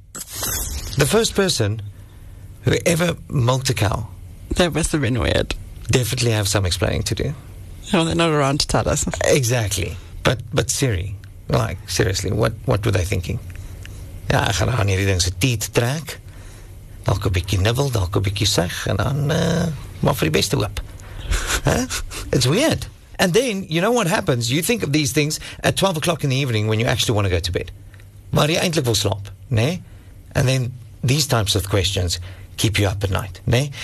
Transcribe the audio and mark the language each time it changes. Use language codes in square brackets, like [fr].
[en] The first person who ever milked a cow. That must have been weird. Definitely have some explaining to do. No, they're not around to tell us. Exactly. But Siri, like, seriously, what were they thinking? [af] Ja, ek gaan aan hierdie ding se teeth trek. Dalk 'n bietjie nibbel, dalk 'n bietjie sug en dan maar vir die beste hoop. [en] Huh? It's weird. And then, you know what happens? You think of these things at 12 o'clock in the evening when you actually want to go to bed. [af] Maar jy eintlik wil slaap, né? [en] And then these types of questions keep you up at night, né?